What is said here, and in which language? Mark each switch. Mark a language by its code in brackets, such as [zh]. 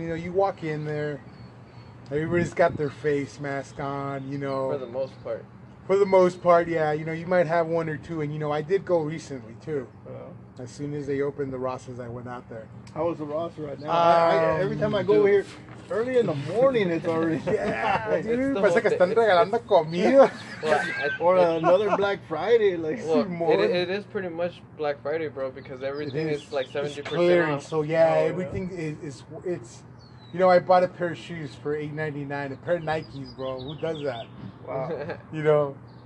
[en] You know, you walk in there. Everybody's got their face mask on, you know. For the most part. For the most part, yeah. You know, you might have one or two. And, you know, I did go recently, too. Uh-huh. As soon as they opened the Ross's, I went out there. How is the Ross right now? Every time I go here, early in the morning, it's already. Yeah, dude. [es] Parece que están regalando comida. [en] Or another Black Friday. Like, well, more. It is pretty much Black Friday, bro, because everything is like 70% clearing, off. So, yeah, everything is it's. You know, I bought a pair of shoes for $8.99, a pair of Nikes, bro. Who does that? Wow. You know?